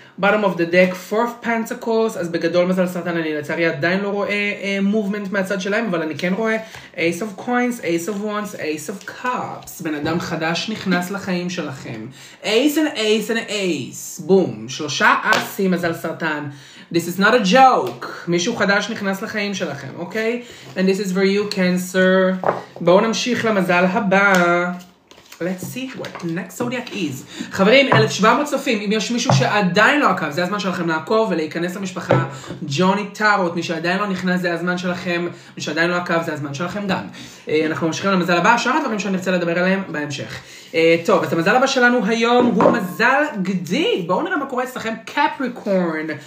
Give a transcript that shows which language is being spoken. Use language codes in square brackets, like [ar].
[he] Bottom of the deck, fourth pentacles, אז בגדול מזל סרטן אני לצערי עדיין לא רואה movement מהצד שלהם, אבל אני כן רואה ace of coins, ace of wands, ace of cups, בן אדם חדש נכנס לחיים שלכם, ace and ace and ace, בום, שלושה אסים מזל סרטן, [en] This is not a joke. [he] מישהו חדש נכנס לחיים שלכם, אוקיי? [en] And this is for you, Cancer. [he] בואו נמשיך למזל הבא. [en] Let's see what the next zodiac is. [he] חברים, 1,700 צופים. אם יש מישהו שעדיין לא עקב, זה הזמן שלכם לעקוב ולהיכנס למשפחה. ג'וני טארוט, מי שעדיין לא נכנס, זה הזמן שלכם. מי שעדיין לא עקב, זה הזמן שלכם גם. אנחנו ממשיכים למזל הבא. שאר הדברים שאני רוצה לדבר עליהם בהמשך. טוב, אז המזל הבא שלנו היום הוא מזל גדי. בואו נראה מה קורה אצלכם. קפריקורן.